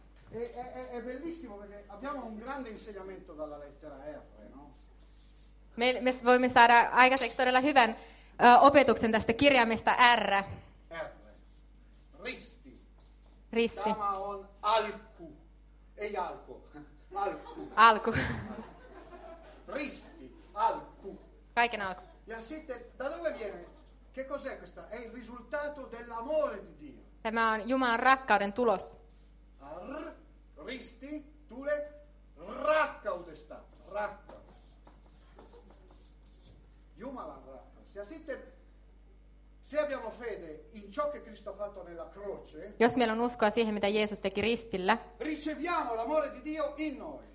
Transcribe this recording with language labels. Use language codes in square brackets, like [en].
[it] È bellissimo perché abbiamo un grande insegnamento dalla lettera R, no? [fi] Me voimme saada aikaiseksi todella hyvän opetuksen tästä kirjaimesta R. R. Risti. Risti. Tämä on alku. Ei alku. Alku. Alku. Risti. Alku. Kaiken alku. Ja sitten, [it] da dove viene? Che cos'è questa? È il risultato dell'amore di Dio. [fi] Tämä on Jumalan rakkauden tulos. R. Risti tule rakkaudesta, rakkaus. Jumalan rakkaus. Ja sitten, [it] se abbiamo fede in ciò che Cristo ha fatto nella croce, [fi] jos meillä on uskoa siihen, mitä Jeesus teki ristillä, [it] riceviamo l'amore di Dio in noi.